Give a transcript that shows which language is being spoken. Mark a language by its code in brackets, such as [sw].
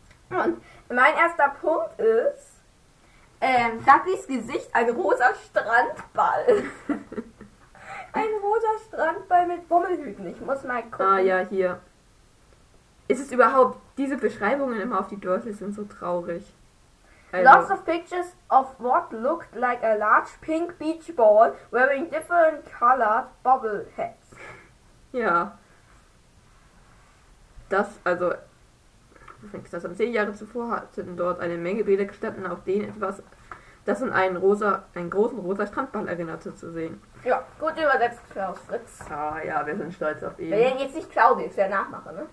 [de] Und mein erster Punkt ist, Dudleys Gesicht ein rosa Strandball. Ein rosa Strandball mit Bummelhüten. Ich muss mal gucken. Ah ja, hier. Ist es überhaupt, diese Beschreibungen immer auf die Dursleys sind so traurig. Also. [en] Lots of pictures of what looked like a large pink beach ball wearing different colored bobble hats. [de] Ja. Das, also, das haben 10 Jahre zuvor, hatten dort eine Menge Bilder gestanden, auf denen etwas, das in einen rosa, einen großen rosa Strandball erinnerte, zu sehen. Ja, gut übersetzt, Klaus Fritz. Ah ja, wir sind stolz auf ihn. Wir nennen jetzt nicht Claudius, der Nachmache, ne?